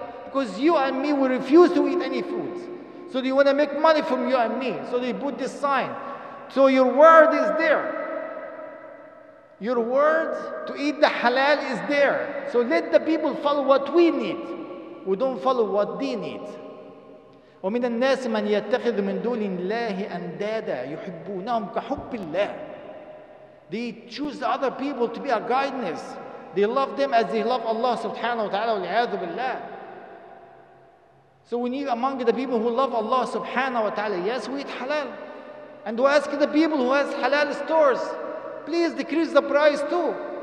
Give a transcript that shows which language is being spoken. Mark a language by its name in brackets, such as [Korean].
[English] Because you and me, we refuse to eat any food. So they want to make money from you and me. So they put this sign. So your word is there. Your word to eat the halal is there. So let the people follow what we need. We don't follow what they need. [Arabic] ومن الناس من يتخذ من دون الله أندادا يحبونهم كحب الله. [English] They choose other people to be a guidance. They love them as they love Allah [Arabic] subhanahu wa ta'ala والعياذ بالله. [English] So we need among the people who love Allah [Arabic] subhanahu wa ta'ala, [English] yes, we eat halal. And we ask the people who has halal stores, please decrease the price too.